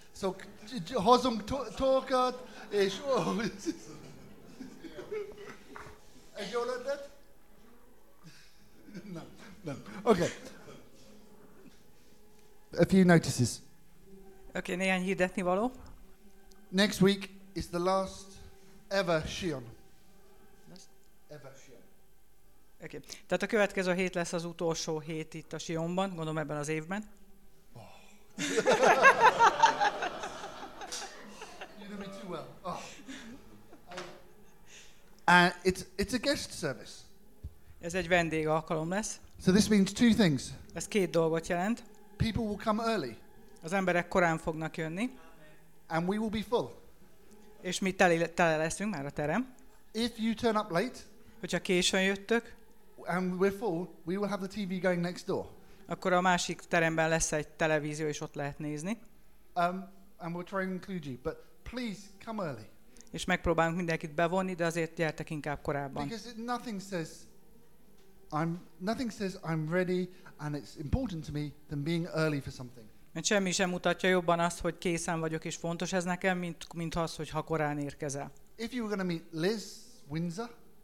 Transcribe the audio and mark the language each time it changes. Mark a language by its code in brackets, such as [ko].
[hu] Szóval hozunk tolkat, és... Oh. Ez jól lett? Nem. Oké. [en] Okay. A few notices. [hu] Oké, néhány hirdetni való. [en] Next week is the last ever Sion. Okay. [hu] Tehát a következő hét lesz az utolsó hét itt a Sionban, gondolom ebben az évben. Oh. [en] You know me too well. Oh. It's a guest service. [hu] Ez egy vendégalkalom lesz. [en] So this means two things. [hu] Ez két dolgot jelent. [en] People will come early. [hu] Az emberek korán fognak jönni. [en] And we will be full. [hu] És mi tele leszünk már a terem. [en] If you turn up late. [hu] Hogyha későn jöttök. [en] And we're full. We will have the TV going next door. [hu] Akkor a másik teremben lesz egy televízió, és ott lehet nézni. [en] And we'll try and include you, but please come early. [hu] És megpróbálunk mindenkit bevonni, de azért gyertek inkább korábban. [en] Because nothing says I'm ready and it's important to me than being early for something. [hu] Mert semmi sem mutatja jobban azt, hogy készen vagyok és fontos ez nekem, mint az, hogy ha korán érkezel. [en] If you were going to meet Liz Windsor.